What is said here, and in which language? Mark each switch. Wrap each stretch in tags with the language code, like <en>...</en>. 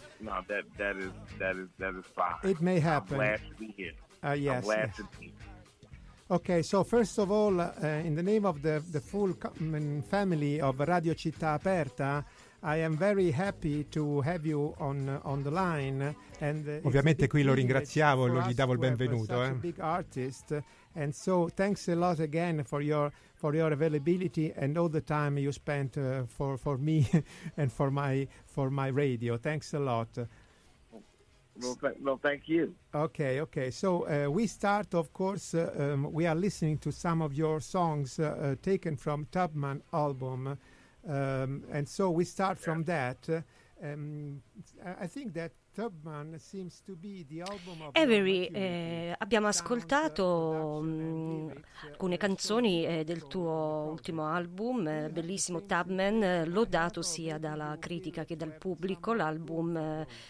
<en>No, that is fine. It may happen. I'm glad to be here. Yes. I'm glad to be here. Okay, so first of all, in the name of the full family of Radio Città Aperta, I am very happy to have you on the line. And</en> <it>ovviamente qui lo ringraziavo, lo gli davo il benvenuto.</it> <en>Such a big artist, and so thanks a lot again for your availability and all the time you spent for me and for my radio. Thanks a lot. Well, thank you. Okay. So we start, of course, we are listening to some of your songs taken from Tubman album. And so we start from that. I think that Tubman seems to be the album of</en> <it>Avery, abbiamo ascoltato alcune canzoni del tuo ultimo album, bellissimo Tubman, lodato sia dalla critica che dal pubblico, l'album...</it>